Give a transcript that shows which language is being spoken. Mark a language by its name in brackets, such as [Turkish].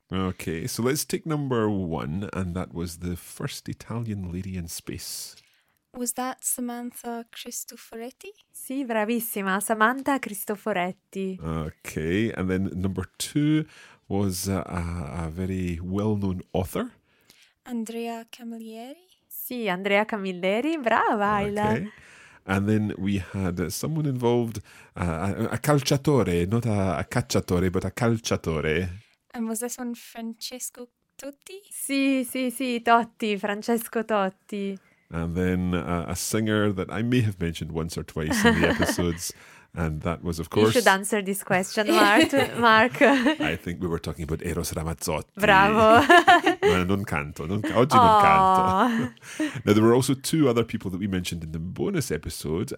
[English] Okay, so let's take number one, and that was the first Italian lady in space. Was that Samantha Cristoforetti? [Italian] Sì, bravissima, Samantha Cristoforetti. [English] Okay, and then number two was a very well-known author. Andrea Camilleri. [Italian] Sì, Andrea Camilleri, brava Ayla. [English] Okay, and then we had someone involved, a calciatore, not a cacciatore, but a calciatore. And was this one Francesco Totti? [Italian] Sì, sì, sì, Totti, Francesco Totti. [English] And then a singer that I may have mentioned once or twice in the episodes, And that was, of course... You should answer this question, Mark. I think we were talking about Eros Ramazzotti. [Italian] Bravo. Non canto. Oggi non canto. [English] Now, there were also two other people that we mentioned in the bonus episode.